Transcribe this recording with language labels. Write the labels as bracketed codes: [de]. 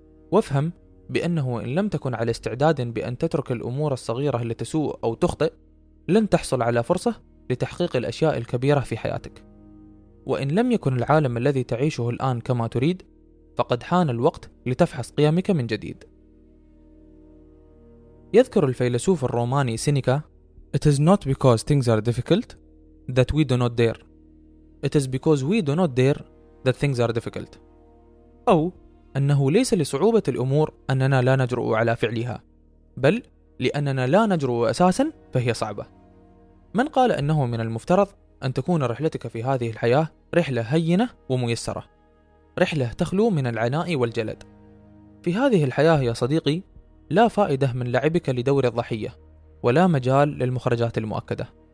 [ar] وافهم بأنه إن لم تكن على استعداد بأن تترك الأمور الصغيرة لتسوء أو تخطئ، لن تحصل على فرصة لتحقيق الأشياء الكبيرة في حياتك. وإن لم يكن العالم الذي تعيشه الآن كما تريد، فقد حان الوقت لتفحص قيمك من جديد. يذكر الفيلسوف الروماني [en] Seneca: It is not because things are difficult that we do not dare. it is because we do not dare that things are difficult. [ar] أو أنه ليس لصعوبة الأمور أننا لا نجرؤ على فعلها، بل لأننا لا نجرؤ أساسا فهي صعبة. من قال أنه من المفترض أن تكون رحلتك في هذه الحياة رحلة هينة وميسرة، رحلة تخلو من العناء والجلد؟ في هذه الحياة يا صديقي لا فائدة من لعبك لدور الضحية، ولا مجال للمخرجات المؤكدة.